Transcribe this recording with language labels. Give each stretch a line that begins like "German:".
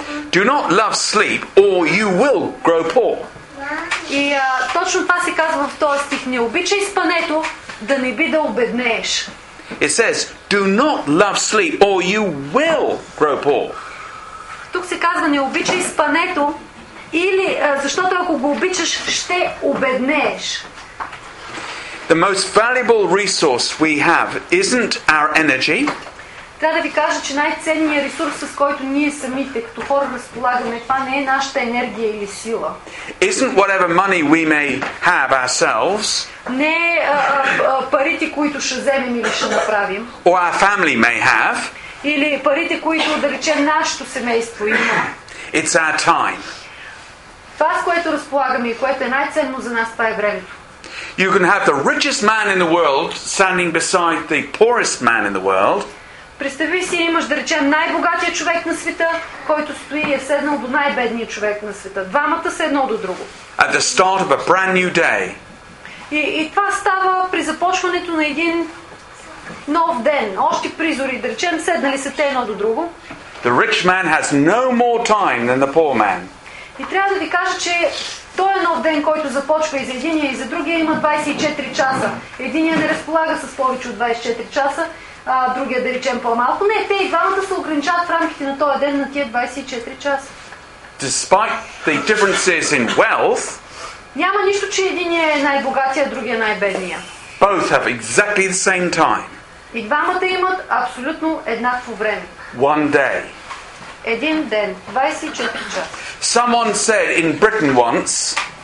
English: Do not love sleep or you will grow poor.
Bulgarian: И точно това се казва в този стих. Не обичай спането, да не би да обеднееш.
English: It says, do not love sleep or you will grow poor.
Bulgarian: тук се казва не обичай спането или защото ако го обичаш ще обеднееш.
English: The most valuable resource we have isn't our energy.
Bulgarian: Трябва да ви кажа, че най-ценният ресурс, с който ние самите като хора разполагаме, това не е нашата енергия или сила.
English: Isn't whatever money we may have ourselves.
Bulgarian: Не е парите, които ще вземем или ще направим.
English: Or our family may have.
Bulgarian: Или парите, които да речем нашето семейство има.
English: It's our time.
Bulgarian: Това, с което разполагаме и което е най-ценно за нас, това е времето.
English: You can have the richest man in the world standing beside the poorest man in the world.
Bulgarian: Представи си, имаш да речем най-богатия човек на света, който стои и е седнал до най-бедния човек на света. Двамата са едно до друго.
English: At the start of a brand new day.
Bulgarian: И това става при започването на един нов ден. Още при зори, да речем, седнали са те едно до друго.
English: The rich man has no more time than the poor man.
Bulgarian: И трябва да ви кажа, че той е нов ден, който започва и за единия, и за другия има 24 часа. Единия не разполага с повече от 24 часа, а другия, да речем, по-малко. Не, те и двамата се ограничават в рамките на този ден на тия 24 часа.
English: Despite the differences in wealth,
Bulgarian: няма нищо, че единия е най-богатия, другия най-бедния.
English: Both have exactly the same time.
Bulgarian: И двамата имат абсолютно еднакво време.
English: One day.
Bulgarian: Един ден, 24 часа.
English: Someone said in Britain once.